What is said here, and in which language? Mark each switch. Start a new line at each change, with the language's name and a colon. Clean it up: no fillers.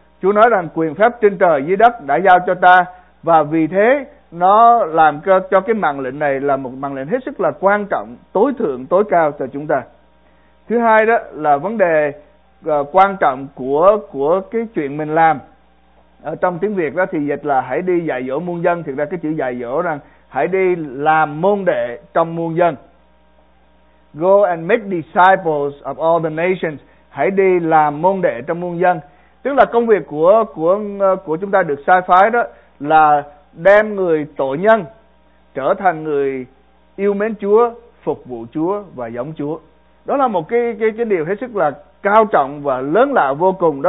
Vietnamese: Chúa nói rằng quyền phép trên trời dưới đất đã giao cho ta, và vì thế nó làm cho cái mạng lệnh này là một mạng lệnh hết sức là quan trọng, tối thượng, tối cao cho chúng ta. Thứ hai đó là vấn đề quan trọng của cái chuyện mình làm. Ở trong tiếng Việt đó thì dịch là hãy đi dạy dỗ muôn dân. Thực ra cái chữ dạy dỗ rằng hãy đi làm môn đệ trong muôn dân.
English: Go and make disciples of all the nations.
Vietnamese: Hãy đi làm môn đệ trong muôn dân. Tức là công việc của chúng ta được sai phái đó là đem người tội nhân trở thành người yêu mến Chúa, phục vụ Chúa và giống Chúa. Đó là một cái điều hết sức là cao trọng và lớn lạ vô cùng.